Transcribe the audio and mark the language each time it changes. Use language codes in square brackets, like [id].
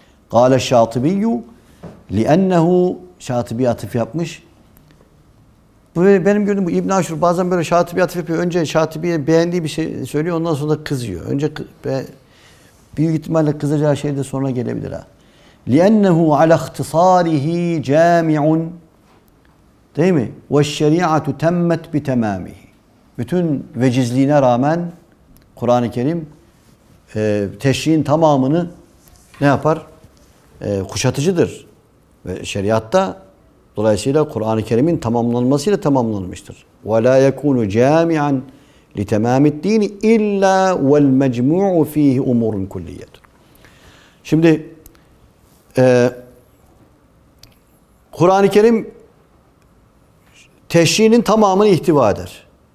[ar] قَالَ الشَّاطِبِيُّ لِأَنَّهُ [tr] Şatibi atıf yapmış. Bu benim gördüğüm bu İbn-i Aşur bazen böyle Şatibi'ye atıf yapıyor. Önce Şatibi'ye beğendiği bir şey söylüyor, ondan sonra kızıyor. Önce büyük ihtimalle kızacağı şey de sonra gelebilir ha. [ar] لِأَنَّهُ عَلَى اَخْتِصَارِهِ جَامِعٌ [tr] Değil mi? [ar] وَالشَّرِيَعَةُ تَمَّتْ بِتَمَامِهِ [tr] Bütün vecizliğine rağmen Kur'an-ı Kerim teşriğin tamamını ne yapar? Kuşatıcıdır. Ve şeriatta dolayısıyla Kur'an-ı Kerim'in tamamlanmasıyla tamamlanmıştır. [ar] وَلَا يَكُونُ جَامِعًا لِتَمَامِ الدِّينِ اِلَّا وَالْمَجْمُعُ ف۪يهِ اُمُورٌ كُلِّيَّةٌ [tr] Şimdi Kur'an-ı Kerim teşriğinin tamamını ihtiva eder.